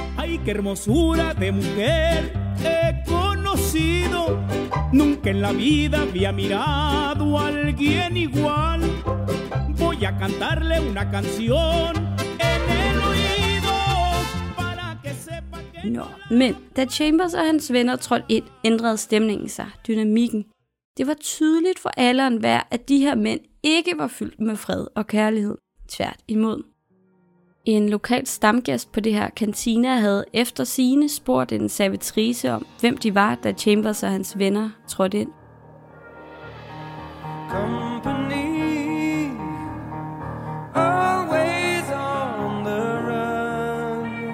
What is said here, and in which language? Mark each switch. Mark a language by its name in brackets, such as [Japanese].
[Spanish] Ay, qué hermosura de mujer he conocido. Nunca en la vida había mirado a alguien igual. Voy a cantarle una canción en el oído para que sepa que... [Danish] Nå, men da Chambers og hans venner trådte ind, ændrede stemningen sig, dynamikken. Det var tydeligt for alle og enhver, at de her mænd ikke var fyldt med fred og kærlighed. Tvært imod. En lokal stamgæst på det her kantina havde efter sigende spurgt en servitrice om, hvem de var, da Chambers og hans venner trådte ind. [English] Company, always on the run.